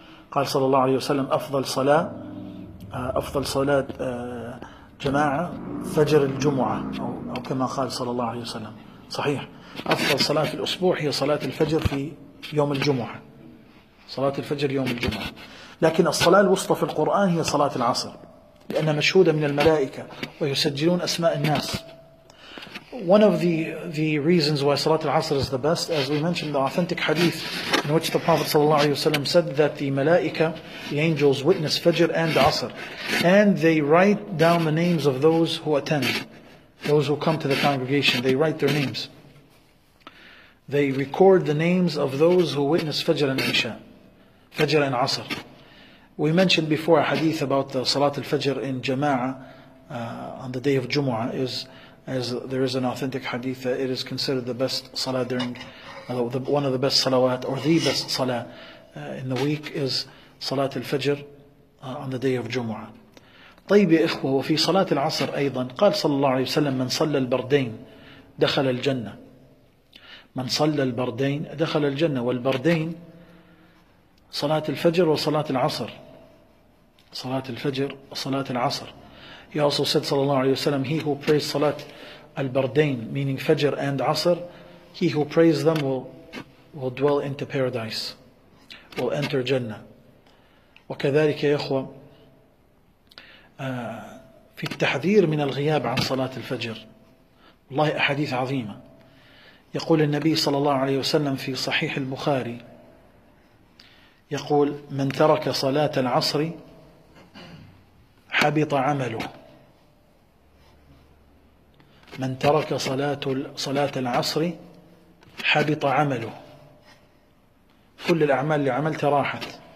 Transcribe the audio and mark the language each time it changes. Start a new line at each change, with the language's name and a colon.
Arabic: قال صلى الله عليه وسلم أفضل صلاة، أفضل صلاة جماعة فجر الجمعة، أو كما قال صلى الله عليه وسلم، صحيح أفضل صلاة في الأسبوع هي صلاة الفجر في يوم الجمعة، صلاة الفجر يوم الجمعة. لكن الصلاة الوسطى في القرآن هي صلاة العصر، لأنها مشهودة من الملائكة ويسجلون أسماء الناس.
English: One of the reasons why Salat al-Asr is the best, as we mentioned, the authentic hadith in which the Prophet sallallahu alaihi wasallam said that the malaika, the angels, witness Fajr and Asr, and they write down the names of those who attend, those who come to the congregation. They write their names. They record the names of those who witness Fajr and Isha, Fajr and Asr. We mentioned before a hadith about the Salat al-Fajr in Jama'ah on the day of Jumu'ah is. As there is an authentic hadith, it is considered the best salah during, one of the best salawat, or the best salah in the week is salat al-fajr on the day of Jumu'ah.
Arabic: طيب يا إخوة وفي صلاة العصر أيضا قال صلى الله عليه وسلم من صلى البردين دخل الجنة، من صلى البردين دخل الجنة، والبردين صلاة الفجر وصلاة العصر، صلاة الفجر وصلاة العصر.
English: He also said, sallallahu alayhi wa sallam, he who prays Salat al-Bardain, meaning Fajr and Asr, he who prays them will dwell into paradise, will enter Jannah.
Arabic: وكذلك يا إخوة في التحذير من الغياب عن صلاة الفجر والله أحاديث عظيمة. يقول النبي صلى الله عليه وسلم في صحيح البخاري يقول من ترك صلاة العصر حبط عمله، من ترك صلاة العصر حبط عمله، كل الأعمال اللي عملت راحت.